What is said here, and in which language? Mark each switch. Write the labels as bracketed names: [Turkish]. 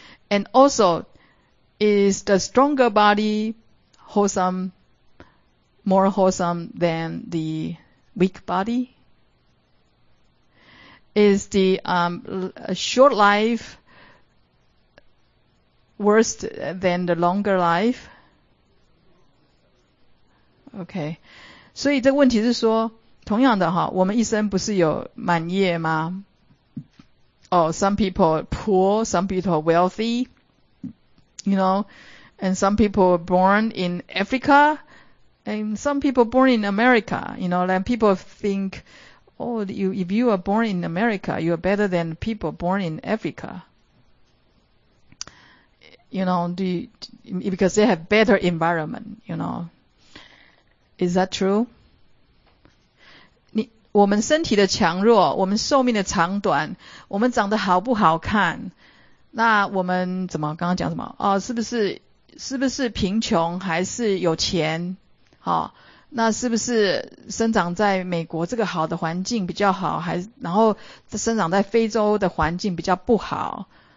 [English] And also, is the stronger body wholesome, more wholesome than the weak body? Is the short life worse than the longer life? Okay. [Chinese] 所以这问题是说，同样的哈，我们一生不是有满月吗？ [English] Oh, some people poor, some people wealthy, you know, and some people born in Africa,and some people born in America, you know, and people think, oh, if you are born in America, you are better than people born in Africa. You know, because they have better environment, you know. Is that true? [Chinese] 我们身体的强弱，我们寿命的长短，我们长得好不好看，那我们怎么，刚刚讲什么？哦，是不是贫穷还是有钱？好，那是不是生长在美国这个好的环境比较好，还是然后生长在非洲的环境比较不好？